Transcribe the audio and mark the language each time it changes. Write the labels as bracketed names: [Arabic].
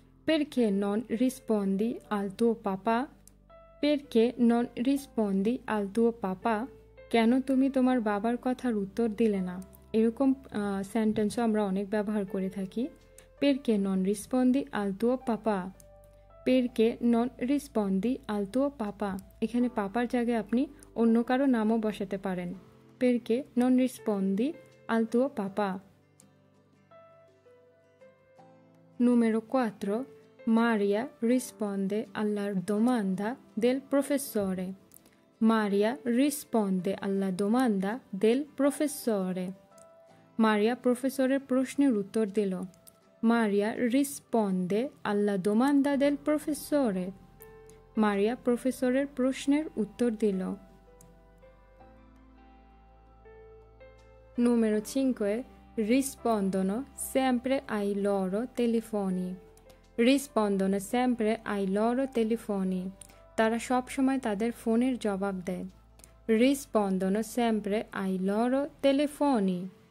[Italian] perché non rispondi al tuo papà? Perché non rispondi al tuo papà? [Bangla] কেন তুমি তোমার বাবার কথার উত্তর দিলে না? এরকম সেন্টেন্সও আমরা অনেক ব্যবহার করে থাকি। [Italian] Perché non rispondi al tuo papà? Perché non rispondi al tuo papà? [Bangla] এখানে পাপার জায়গায় আপনি অন্য কারো নামও বসাতে পারেন। [Italian] Perché non rispondi al tuo papà? Numero 4. Maria risponde alla domanda del professore. Maria risponde alla domanda del professore. [Bangla] Maria professorের প্রশ্নের উত্তর দিল। [Italian] Maria risponde alla domanda del professore. [Bangla] Maria professorের প্রশ্নের উত্তর দিল। [Italian] Numero 5. Rispondono sempre ai loro telefoni. Rispondono sempre ai loro telefoni. [Bangla] Tara shop shomai tader phoner jobab dey. [Italian] Rispondono sempre ai loro telefoni.